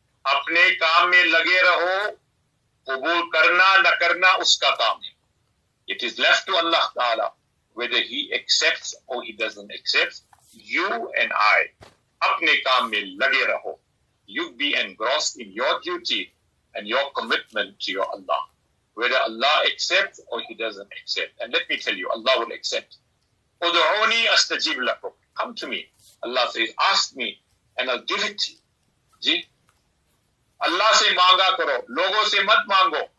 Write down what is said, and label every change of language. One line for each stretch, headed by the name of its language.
Urdu: اپنے کام میں لگے رہو قبول کرنا نہ کرنا اس کا کام ہے.
English: It is left to Allah Ta'ala whether he accepts or he doesn't accept. You and I
Urdu: اپنے کام میں لگے رہو.
English: You be engrossed in your duty and your commitment to your Allah, whether Allah accepts or he doesn't accept. And let me tell you, Allah will accept.
Arabic: ادعونی استجیب لکم.
English: Come to me. Allah says, ask me and I'll give it to you.
Urdu: جی اللہ سے مانگا کرو, لوگوں سے مت مانگو.